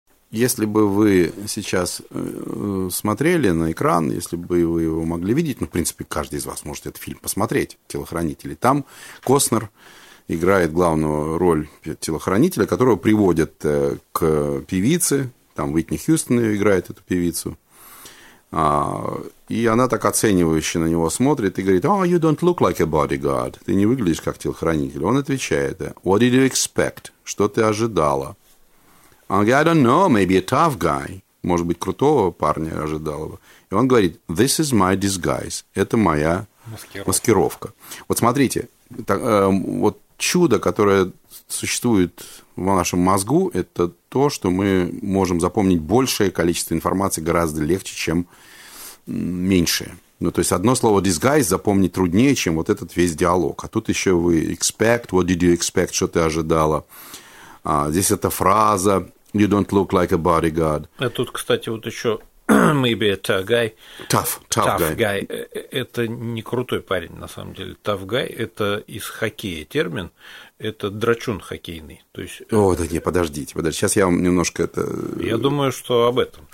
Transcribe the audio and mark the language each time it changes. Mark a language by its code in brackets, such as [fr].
[ru] Если бы вы сейчас смотрели на экран, если бы вы его могли видеть, ну, в принципе, каждый из вас может этот фильм посмотреть, «Телохранители», там Костнер играет главную роль телохранителя, которого приводят к певице, там Уитни Хьюстон играет эту певицу, и она так оценивающе на него смотрит и говорит: [en] «Oh, you don't look like a bodyguard», [ru] ты не выглядишь как телохранитель. Он отвечает: [en] «What did you expect?» [ru] – «Что ты ожидала?» [en] I don't know, maybe a tough guy. [ru] Может быть, крутого парня ожидал его. И он говорит: [en] this is my disguise. [ru] Это моя маскировка. Вот смотрите, так, вот чудо, которое существует в нашем мозгу, это то, что мы можем запомнить большее количество информации гораздо легче, чем меньшее. Ну, то есть, одно слово disguise запомнить труднее, чем вот этот весь диалог. А тут еще вы expect, [en] what did you expect, [ru] что ты ожидала. А, здесь эта фраза [en] «You don't look like a bodyguard». [ru] А тут, кстати, вот еще [en] «Maybe a tough guy». Tough guy. [ru] Это не крутой парень, на самом деле. Tough guy – это из хоккея термин. Это драчун хоккейный. То есть... О, да не, подождите. Сейчас я вам немножко это... Я думаю, что об этом.